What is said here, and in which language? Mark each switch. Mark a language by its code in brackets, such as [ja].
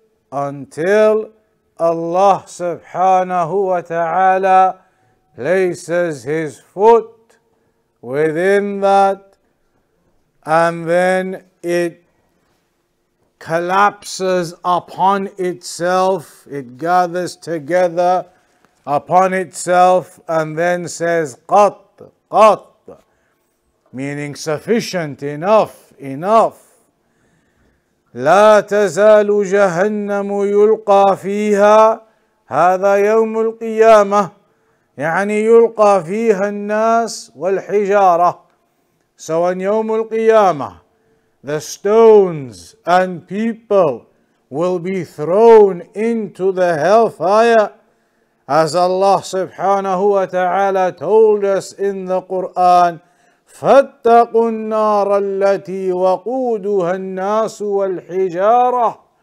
[en] until Allah subhanahu wa ta'ala places His foot within that, and then it collapses upon itself, it gathers together upon itself, and then says, قط, قط, meaning sufficient, enough, enough. [ar] لا تزال جهنم يلقى فيها هذا يوم القيامة, يعني يلقى فيها الناس والحجارة. [en] So on يوم القيامة, the stones and people will be thrown into the hellfire, as Allah subhanahu wa ta'ala told us in the Quran, [ar] فَاتَّقُوا النَّارَ الَّتِي وَقُودُهَا النَّاسُ وَالْحِجَارَةِ.